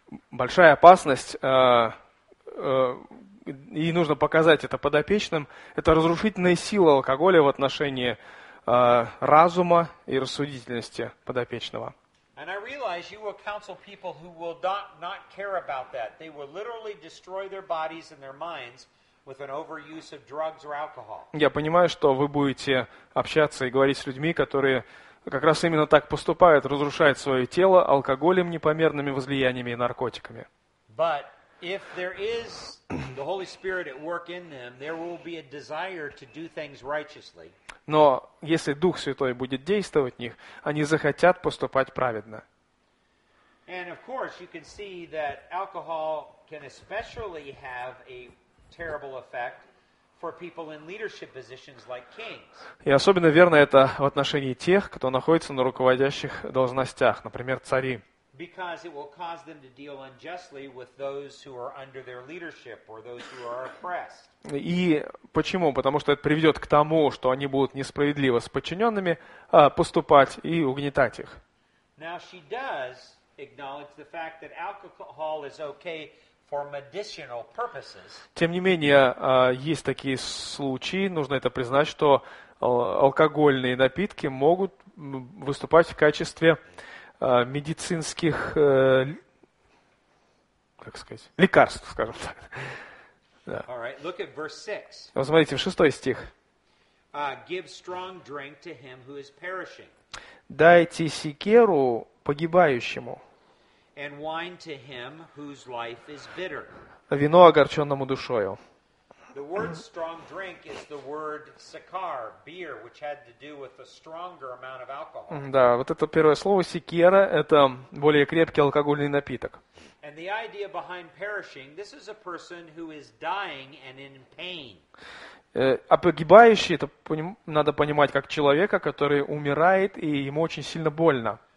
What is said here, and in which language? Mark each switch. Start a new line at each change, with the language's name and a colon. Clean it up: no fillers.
Russian: Большая опасность, и нужно показать это подопечным, это разрушительная сила алкоголя в отношении разума и рассудительности подопечного.
English: And I realize you will counsel people who will not care about that. They will literally destroy their bodies and their minds with an overuse of drugs or alcohol.
Russian: Я понимаю, что вы будете общаться и говорить с людьми, которые как раз именно так поступают, разрушают свое тело алкоголем, непомерными возлияниями и наркотиками.
English: But if there is the Holy Spirit at work in them, there will be a desire to do things righteously.
Russian: Но если Дух Святой будет действовать в них, они захотят поступать праведно.
English: And of course, you can see that alcohol can especially have a terrible effect for people in leadership positions like kings.
Russian: И особенно верно это в отношении тех, кто находится на руководящих должностях, например, цари.
English: Because it will cause them to deal unjustly with those who are under their leadership or those who are oppressed.
Russian: И почему? Потому что это приведет к тому, что они будут несправедливо с подчиненными поступать и угнетать их.
English: Now she does acknowledge the fact that alcohol is okay for medicinal purposes.
Russian: Тем не менее, есть такие случаи, нужно это признать, что алкогольные напитки могут выступать в качестве медицинских, как сказать, лекарств, скажем так. Да.
English: All right, look at verse 6.
Russian: Посмотрите, в 6 стих.
English: Give strong drink to him who is perishing.
Russian: Дайте секеру погибающему.
English: And wine to him whose life is bitter.
Russian: Вино огорченному душою.
English: The word strong drink is the word sekar, beer, which had to do with a stronger amount of alcohol.
Russian: Да, вот это первое слово секера – это более крепкий алкогольный напиток.
English: And the idea behind perishing, this is a person who is dying and in pain.
Russian: А погибающий – это надо понимать как человека, который умирает и ему очень сильно больно.